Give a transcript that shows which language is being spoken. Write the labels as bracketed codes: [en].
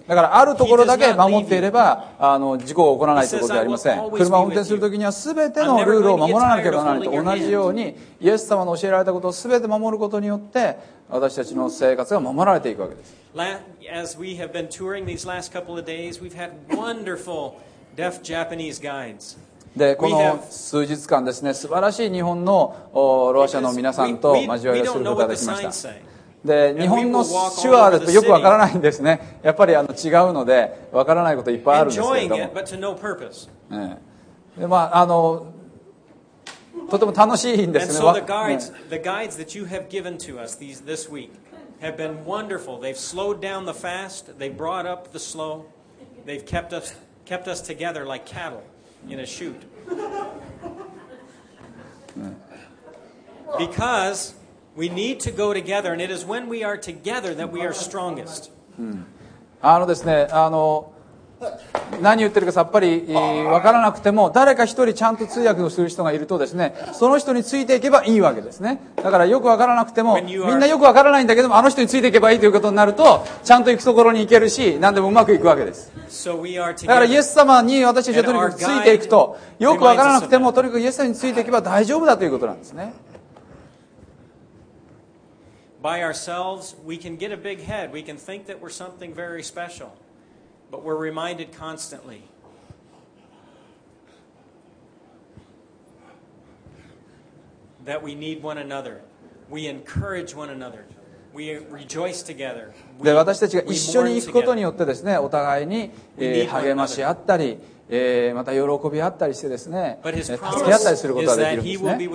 [ja] だからあるところだけ守っていれば事故が起こらないということではありません。車を運転するときには全てのルールを守らなければならないと同じように、イエス様の教えられたことを全て守ることによって私たちの生活が守られていくわけです。 [en] As we have been touring these last couple of days, we've had wonderful deaf Japanese guides. [ja] で、この数日間ですね、素晴らしい日本のろう者の皆さんと交わりをすることができました。で、日本の手話だとよくわからないんですね。やっぱり違うので、わからないこといっぱいあるんですけれども。ね、で、まあ、とても楽しいんですね。 [en] And so the guides that you have given to us this week. Have been wonderful. They've slowed down the fast. They've brought up the slow. They've kept us together like cattle in a chute. Because we need to go together, and it is when we are together that we are strongest. [ja] ですね、何言ってるかさっぱり分からなくても、誰か一人ちゃんと通訳をする人がいるとですね、その人についていけばいいわけですね。だからよく分からなくても、みんなよく分からないんだけども、あの人についていけばいいということになると、ちゃんと行くところに行けるし、何でもうまくいくわけです。だからイエス様に私たちはとにかくついていくと、よく分からなくてもとにかくイエス様についていけば大丈夫だということなんですね。 [en] By ourselves we can get a big head, we can think that we're something very specialBut we're reminded constantly. That we need one another. We encourage one another. We rejoice together. [ja] で、私たちが一緒に行くことによってですね、お互いに、励まし合ったり、また喜び合ったりしてですね、助け合ったりすることができるんですね。